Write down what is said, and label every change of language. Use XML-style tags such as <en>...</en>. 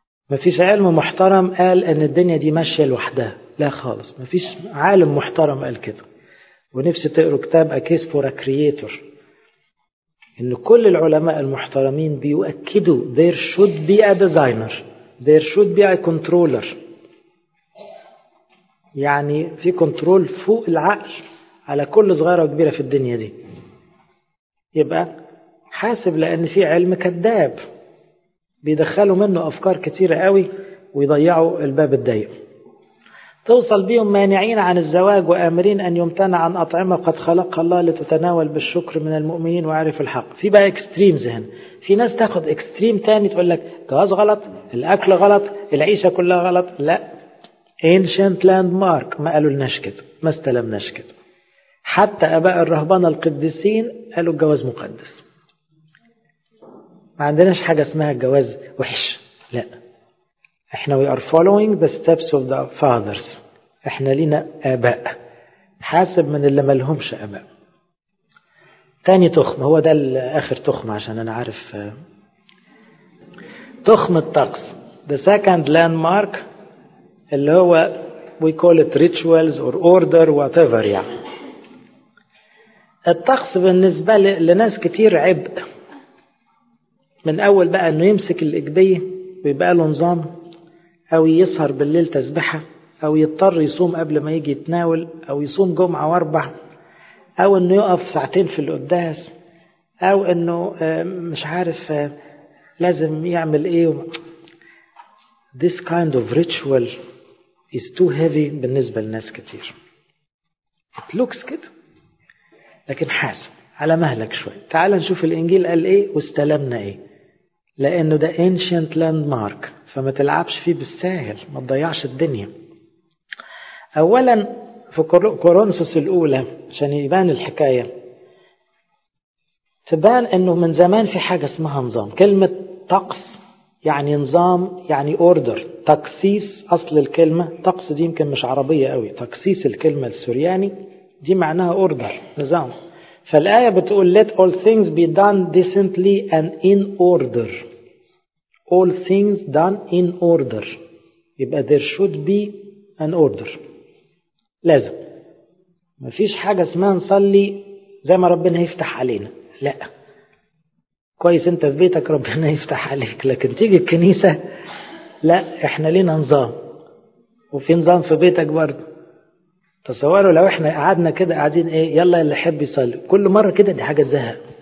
<ar>مفيش علم محترم قال أن الدنيا دي ماشية لوحدها. لا خالص. مفيش عالم محترم قال كده. ونفسي تقروا كتاب</ar> <en>A Case for a Creator.</en> <ar>أن كل العلماء المحترمين بيؤكدوا</ar> <en>There should be a designer. There should be a controller.</en> <ar>يعني في كنترول فوق العقل على كل صغيرة وكبيرة في الدنيا دي. يبقى حاسب، لأن في علم كذاب بيدخلوا منه أفكار كتيرة قوي ويضيعوا الباب الضيق. توصل بيهم مانعين عن الزواج وآمرين أن يمتنع عن أطعمة قد خلقها الله لتتناول بالشكر من المؤمنين وعرف الحق. في بقى إكستريم زهن. في ناس تاخد إكستريم تاني تقول لك جهاز غلط، الأكل غلط، العيشة كلها غلط. لا، ancient landmark ما قالوا النشكت، ما استلم نشكت. حتى أباء الرهبان القديسين قالوا الجواز مقدس. ما عندناش حاجة اسمها الجواز وحش. لا، احنا</ar> <en>we are following the steps of the fathers.</en> <ar>احنا لنا آباء. حاسب من اللي ما لهمش آباء. تاني تخم، هو ده الآخر تخم عشان أنا عارف. تخم الطقس.</ar> <en>The second landmark</en> <ar>اللي هو</ar> <en>we call it rituals or order whatever</en> <ar>يعني. الطقس بالنسبة لناس كتير عبء، من أول بقى أنه يمسك الإجبية ويبقى له نظام، أو يسهر بالليل تسبحة، أو يضطر يصوم قبل ما يجي يتناول، أو يصوم جمعة واربع، أو أنه يقف ساعتين في القداس، أو أنه مش عارف لازم يعمل إيه.</ar> <en>This kind of ritual is too heavy</en> <ar>بالنسبة لناس كتير.</ar> <en>It looks good.</en> <ar>لكن حاسب على مهلك شوي. تعال نشوف الإنجيل قال إيه واستلمنا إيه، لأنه ده ancient landmark فما تلعبش فيه بالساهل، ما تضيعش الدنيا. أولا في كورنثوس الأولى عشان يبان الحكاية، تبان أنه من زمان في حاجة اسمها نظام. كلمة طقس يعني نظام، يعني order. تقسيس أصل الكلمة، طقس دي يمكن مش عربية قوي، تقسيس الكلمة السورياني دي معناها order، نظام. فالآية بتقول</ar> <en>let all things be done decently and in order. All things done in order.</en> <ar>يبقى</ar> <en>there should be an order.</en> <ar>لازم. مفيش حاجة اسمها نصلي زي ما ربنا يفتح علينا. لا. كويس انت في بيتك ربنا يفتح عليك، لكن تيجي الكنيسة لا، احنا لنا نظام. وفي نظام في بيتك برضه. تصوروا لو احنا قعدنا كده قاعدين ايه، يلا اللي حب يصلي كل مرة كده، دي حاجة تزهق.</ar>